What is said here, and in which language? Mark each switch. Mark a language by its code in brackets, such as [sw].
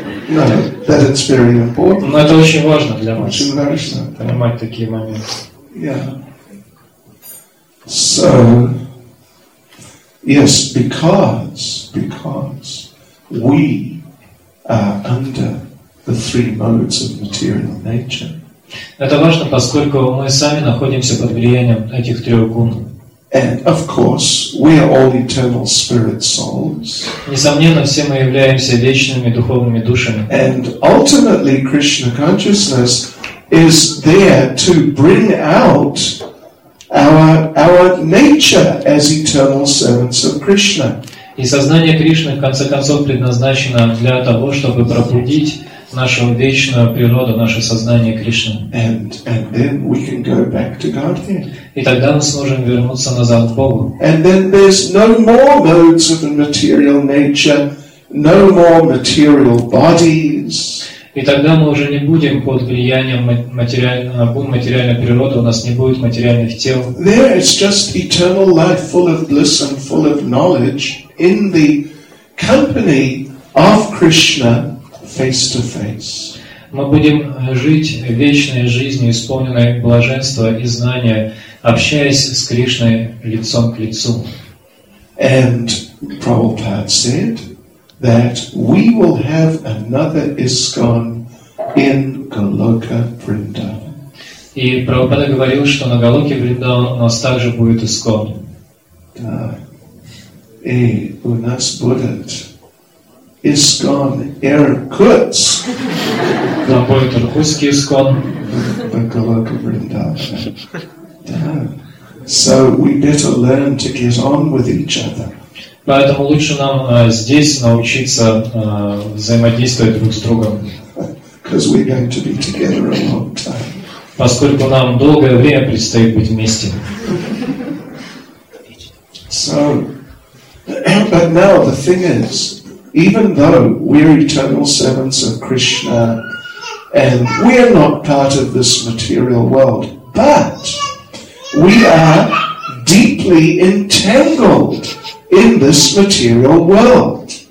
[en] No, that it's very important. [ru] Но это очень важно для вас. Понимать такие моменты. [en] Yeah. So, yes, because we are under the 3 modes of material nature. [ru] Это важно, поскольку мы сами находимся под влиянием этих 3 гун. [en] And of course, we are all eternal spirit souls. [ru] Несомненно, все мы являемся вечными духовными душами. [en] And ultimately, Krishna consciousness is there to bring out our nature as eternal servants of Krishna. [ru] И сознание Кришны, в конце концов, предназначено для того, чтобы пробудить нашу вечную природу, наше сознание Кришны. [en] And then we can go back to Godhead. [ru] И тогда мы сможем вернуться назад к Богу. [en] And then there's no more modes of material nature, no more material bodies. [ru] И тогда мы уже не будем под влиянием материальной природы, у нас не будет материальных тел. [en] There is just eternal life full of bliss and full of knowledge in the company of Krishna face to face. [ru] Мы будем жить вечной жизнью, исполненной блаженства и знания, общаясь с Кришной лицом к лицу. [en] And Prabhupada said, that we will have another ISKCON in Goloka Vrindavan. [ru] И Прабхупада говорил, что на Голоке Вриндаван у нас также будет ИСККОН. Да. И у нас будет ИСККОН Иркутск. Там будет Иркутский ИСККОН. В Голоке Вриндаван. Да. [en] So we better learn to get on with each other. [ru] Поэтому лучше нам здесь научиться взаимодействовать друг с другом. [en] Because we're going to be together a long time. [ru] Поскольку нам долгое время предстоит быть вместе. [en] So, but now the thing is, even though we're eternal servants of Krishna, and we're not part of this material world, but we are deeply entangled in this material world.